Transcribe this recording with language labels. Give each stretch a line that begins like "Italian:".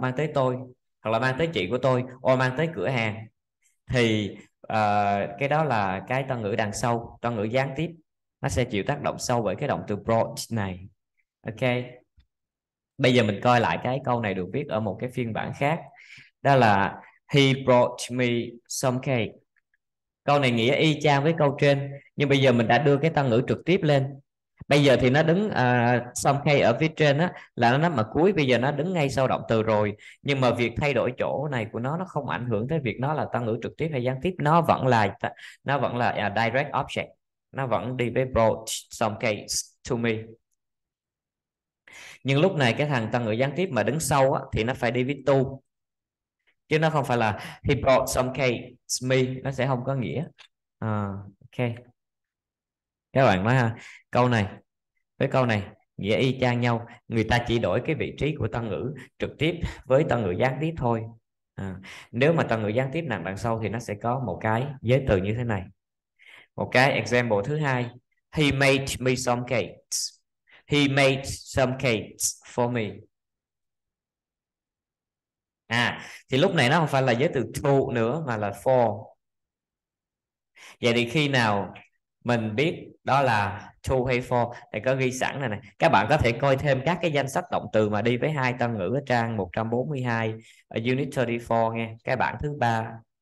Vietnamese: Mang tới tôi, hoặc là mang tới chị của tôi, hoặc mang tới cửa hàng. Thì cái đó là cái tân ngữ đằng sau, tân ngữ gián tiếp. Nó sẽ chịu tác động sâu bởi cái động từ brought này. Ok. Bây giờ mình coi lại cái câu này được viết ở một cái phiên bản khác. Đó là
English: he brought me some cake.
Vietnamese: Câu này nghĩa y chang với câu trên, nhưng bây giờ mình đã đưa cái tân ngữ trực tiếp lên. Bây giờ thì nó đứng some cake ở phía trên á, là nó mà cuối, bây giờ nó đứng ngay sau động từ rồi. Nhưng mà việc thay đổi chỗ này của nó không ảnh hưởng tới việc nó là tân ngữ trực tiếp hay gián tiếp. Nó vẫn là direct object, nó vẫn đi với
English: brought some cake to me.
Vietnamese: Nhưng lúc này cái thằng tân ngữ gián tiếp mà đứng sau á, thì nó phải đi với to, chứ nó không phải là
English: he brought some cake me,
Vietnamese: nó sẽ không có nghĩa. Ok, các bạn nói ha, câu này với câu này nghĩa y chang nhau, người ta chỉ đổi cái vị trí của tân ngữ trực tiếp với tân ngữ gián tiếp thôi. Nếu mà tân ngữ gián tiếp nằm đằng sau thì nó sẽ có một cái giới từ như thế này. Một cái
English: example
Vietnamese: thứ hai,
English: he made me some cakes, he made some cakes for me.
Vietnamese: Thì lúc này nó không phải là giới từ to nữa mà là for. Vậy thì khi nào mình biết đó là to hay for thì có ghi sẵn này này. Các bạn có thể coi thêm các cái danh sách động từ mà đi với hai tân ngữ ở trang 142 ở unit 34 nghe, cái bảng thứ ba.